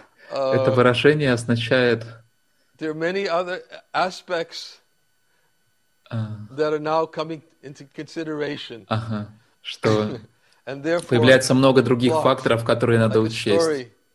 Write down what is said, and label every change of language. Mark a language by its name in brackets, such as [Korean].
[Russian] Это выражение означает [English] there are many other aspects that are now coming into consideration. [Russian] Ага, что появляется много других факторов, которые надо учесть.